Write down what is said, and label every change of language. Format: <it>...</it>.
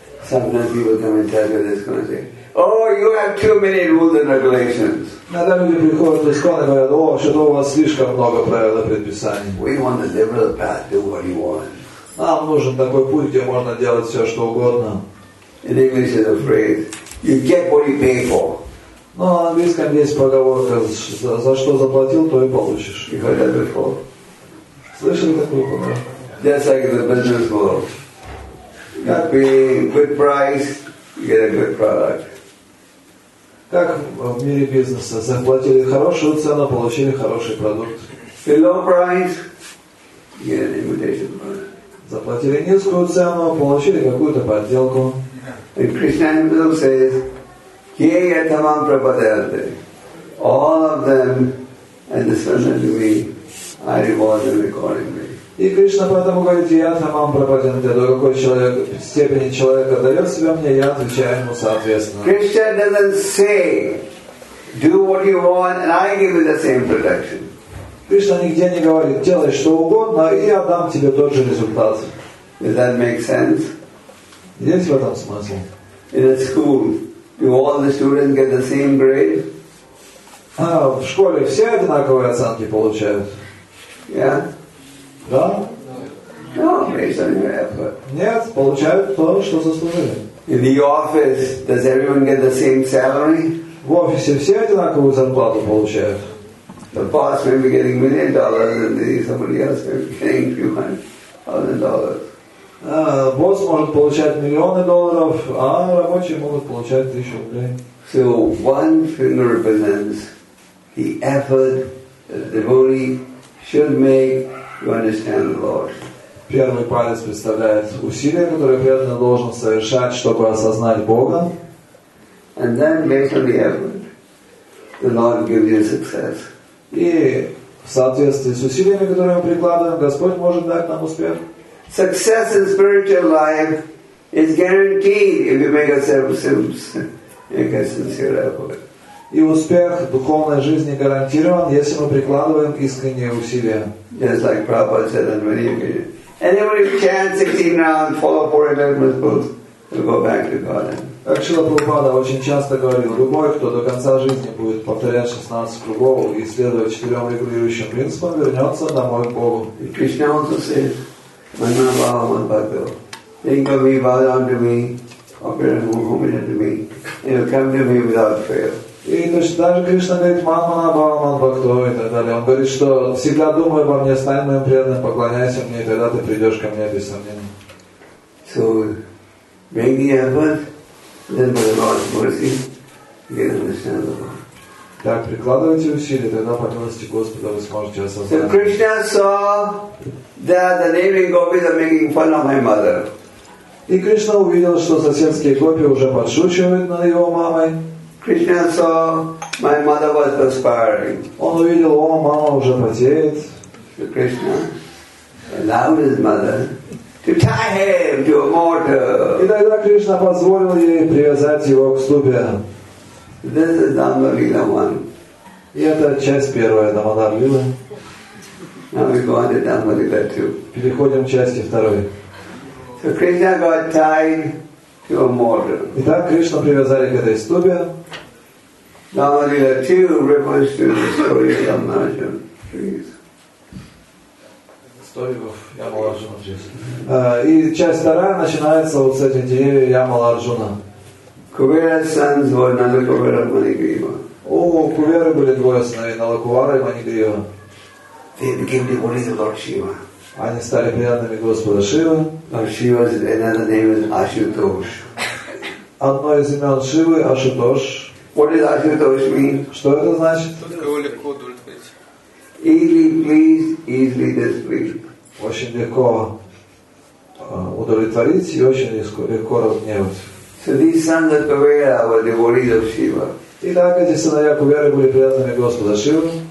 <en>Sometimes people come and tell me this kind of thing. Oh, you have too many rules and regulations.</en> <ru>Иногда люди приходят и говорят: «О, что у вас слишком много правил и предписаний».</ru> <en>We want the liberal path, do what you want.</en> <ru>Нам нужен такой путь, где можно делать все, что угодно.</ru> <en>In English is a phrase: you get what you pay for.</en> <ru>Но на английском есть поговорка: за что заплатил, то и получишь.</ru> <en>You heard that before?</en> <ru>Слышали такую поговорку?</ru> <en>Just like in the business world, you pay good price.</en> <ru>Как в мире бизнеса? Заплатили хорошую цену, получили хороший продукт.</ru> <en>Low price, get an imitation product.</en> <ru>Заплатили низкую цену, получили какую-то подделку.</ru> <en>And Krishna himself says,</en> <sa>Kaya tamam prapadayate.</sa> <en>All of them, and especially me, I reward them accordingly.</en> <ru>И Кришна поэтому говорит: я тамам пропаденте, до какой человек, степени человека дает себя мне, я отвечаю ему соответственно.</ru> <en>Krishna doesn't say, do what you want, and I give you the same protection.</en> <ru>Кришна нигде не говорит: делай что угодно, и я дам тебе тот же результат.</ru> <en>Does that make sense?</en> <ru>Есть в этом смысл?</ru> <en>In a school, do all the students get the same grade?</en> <ru>А в школе все одинаковые оценки получают?</ru> <en>Yeah.</en> <ru>Да?</ru> <en>No, based on your effort.</en> <ru>Нет, получают то, что заслужили.</ru> <en>In the office, does everyone get the same salary?</en> <ru>В офисе все одинаковую зарплату получают.</ru> <en>The boss may be getting $1 million, and somebody else may be getting $200,000.</en> <ru>Босс может получать $1 million, а рабочие могут получать 1000 рублей.</ru> <en>So one thing represents the effort that the devotee should make. You understand the Lord.</en> <ru>Первый палец представляет усилия, которые преданный должен совершать, чтобы осознать Бога.</ru> <en>And then, based on the effort, the Lord gives you success.</en> <ru>И в соответствии с усилиями, которые мы прикладываем, Господь может дать нам успех.</ru> <en>Success in spiritual life is guaranteed if you make a sincere effort.</en> <ru>И успех в духовной жизни гарантирован, если мы прикладываем искренние усилия.</ru> <en>Just like Prabhupada said on many occasions. Anybody who chants 16 rounds, follow four enlightenment books, will go back to God.</en> <ru>Как Шрила Прабхупада очень часто говорил, любой, кто до конца жизни будет повторять 16 кругов и следовать 4 регулирующим принципам, вернется домой к Богу. И Кришна</ru> <en>also said,</en> <sa>Manna Bhava Manbhakil,</sa> <en>think of me, bow down to me, offer it to me, and you'll come to me without fail.</en> <ru>И точно так же Кришна говорит: «Мамана, Бхагаван, Бхакто» и так далее. Он говорит, что «всегда думай обо мне, стань моим преданным, поклоняйся мне, и тогда ты придешь ко мне без сомнений».</ru> <en>So, make the effort, then by the Lord's mercy, you can understand the Lord.</en> <ru>Так, прикладывайте усилия, тогда по милости Господа вы сможете осознать.</ru> <en>So, Krishna saw that the neighboring gopis are making fun of my mother.</en> <ru>И Кришна увидел, что соседские гопи уже подшучивают над его мамой.</ru> <en>Krishna saw my mother was perspiring.</en> <ru>Он увидел: о, мама уже потеет.</ru> <en>So Krishna allowed his mother to tie him to a mortar.</en> <ru>И тогда Кришна позволил ей привязать его к ступе.</ru> <en>This is Dhamma Lila 1.</en> <ru>И это часть первая Dhamma Lila.</ru> <en>Now we go on to Dhamma Lila 2.</en> <ru>Переходим к части второй.</ru> <en>So Krishna got tied.</en> <ru>Итак, Кришна привязали к этой ступе.</ru> <en>Dhamma-lila 2 refers to the story of Yamarajan trees.</en> <ru>И часть вторая начинается вот с этих деревьев Ямаларджуна.</ru> <en>Kuvera's sons were Nalakuvara and Manigriva.</en> <ru>О, у Куверы были двое сыновей, Налакувара и Манигрива.</ru> <en>They became devotees of Lord Shiva.</en> <ru>Они стали преданными Господа Шивы.</ru> <en>Lord Shiva's another name is Ashutosh.</en> <ru>Одно из имен Шивы – Ашутош.</ru> <en>What does Ashutosh mean?</en> <ru>Что это значит? Тот, кого легко удовлетворить.</ru> <en>Easily pleased, easily displeased.</en> <ru>Очень легко удовлетворить и очень легко разгневать.</ru> <en>So these sons of Kuvera were devotees of Shiva.</en> <ru>И так эти сыновья по вере были преданными Господа Шивы.</ru>